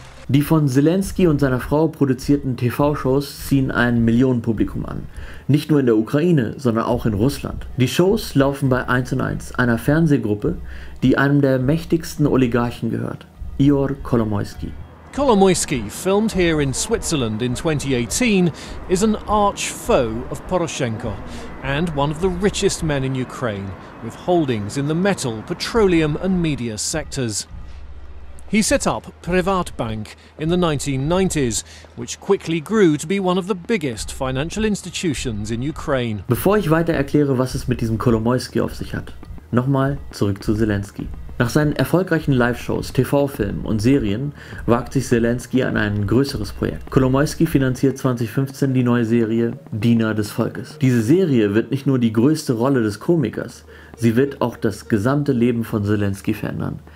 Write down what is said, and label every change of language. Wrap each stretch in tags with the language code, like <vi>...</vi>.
<de>Die von Zelensky und seiner Frau produzierten TV-Shows ziehen ein Millionenpublikum an. Nicht nur in der Ukraine, sondern auch in Russland. Die Shows laufen bei 1&1, einer Fernsehgruppe, die einem der mächtigsten Oligarchen gehört, Ihor Kolomoyski.</de> <en>Kolomoyski, filmed here in Switzerland in 2018, is an arch foe of Poroshenko and one of the richest men in Ukraine, with holdings in the metal, petroleum and media sectors. He set up Privatbank in the 1990s, which quickly grew to be one of the biggest financial institutions in Ukraine.</en> <de>Bevor ich weiter erkläre, was es mit diesem Kolomoyski auf sich hat, nochmal zurück zu Zelensky. Nach seinen erfolgreichen Live-Shows, TV-Filmen und Serien wagt sich Zelensky an ein größeres Projekt. Kolomoyski finanziert 2015 die neue Serie Diener des Volkes. Diese Serie wird nicht nur die größte Rolle des Komikers, sie wird auch das gesamte Leben von Zelensky verändern.</de>